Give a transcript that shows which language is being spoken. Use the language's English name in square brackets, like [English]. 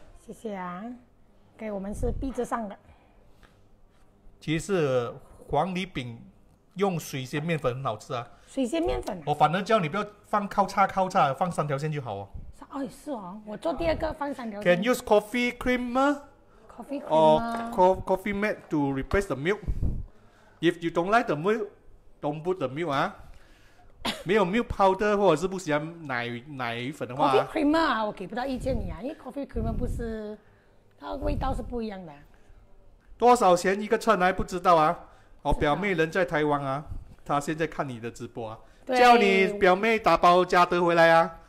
[Chinese] 谢谢啊，给、okay, 我们是壁纸上的。其实黄梨饼用水仙面粉很好吃啊。水仙面粉、啊？我反而叫你不要放靠叉靠叉，放三条线就好哦。哦，是哦，我做第二个放三条线。 [English] Can use coffee creamer? Coffee creamer? Or coffee mate to replace the milk? If you don't like the milk, don't put the milk 啊。 [Chinese] 没有 milk powder 或者是不喜欢奶粉的话，coffee creamer 啊，我给不到意见你啊，因为 coffee creamer 不是它味道是不一样的、啊。多少钱一个秤还不知道啊？我表妹人在台湾啊，她现在看你的直播啊，叫你表妹打包嘉德回来啊，